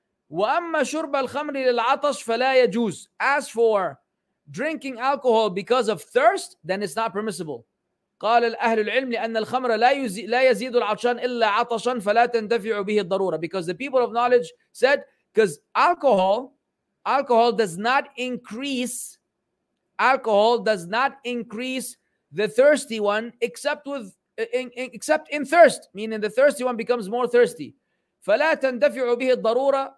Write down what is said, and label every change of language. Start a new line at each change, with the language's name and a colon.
Arabic: وأما شرب الخمر للعطش فلا يجوز.
English: As for drinking alcohol because of thirst, then it's not permissible.
Arabic: قال الأهل العلم لأن الخمر لا يزيد العطشان إلا عطشان فلا تندفع به الضرورة.
English: Because the people of knowledge said, because alcohol does not increase the thirsty one except in thirst, meaning the thirsty one becomes more thirsty.
Arabic: فلا تندفع به الضرورة.